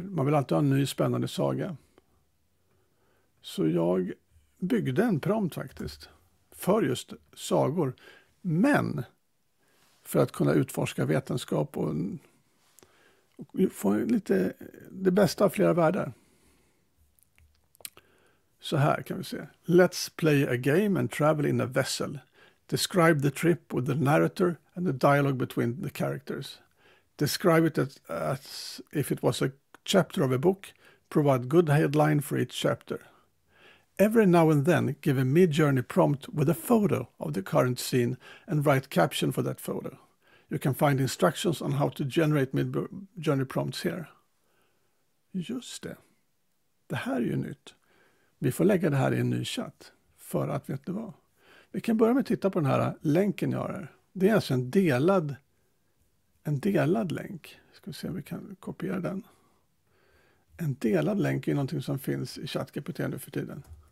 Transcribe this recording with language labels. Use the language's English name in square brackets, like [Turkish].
[Swedish] Man vill alltid ha en ny spännande saga. Så jag byggde en prompt faktiskt för just sagor. Men för att kunna utforska vetenskap och få lite det bästa av flera världar. Så här kan vi se. [English] Let's play a game and travel in a vessel. Describe the trip with the narrator and the dialogue between the characters. Describe it as if it was a chapter of a book. Provide good headline for each chapter. Every now and then, give a mid-journey prompt with a photo of the current scene and write caption for that photo. You can find instructions on how to generate mid-journey prompts here. [Swedish] Just det. Det här är ju nytt. Vi får lägga det här i en ny chatt för att veta vad. Vi kan börja med att titta på den här länken jag har här. Det är alltså en delad länk. Ska vi se om vi kan kopiera den. En delad länk är någonting som finns i chatGPT nu för tiden.